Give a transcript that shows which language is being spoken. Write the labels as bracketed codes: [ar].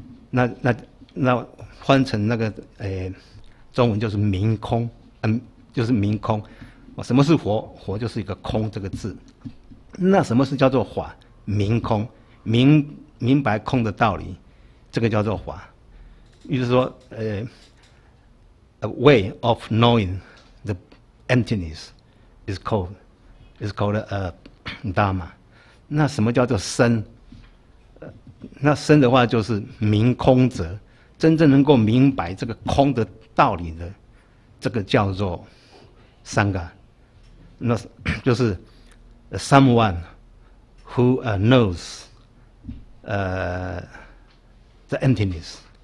[zh] 那翻成那个中文就是明空，就是明空。什么是佛？佛就是一个空这个字。那什么是叫做法？明空，明白空的道理，这个叫做法。也就是说 [en] a way of knowing the emptiness is called Dharma。 [zh] 那什么叫做身？那身的话就是明空者，真正能够明白这个空的道理的，这个叫做 Sangha。那就是 [en] someone who knows the emptiness。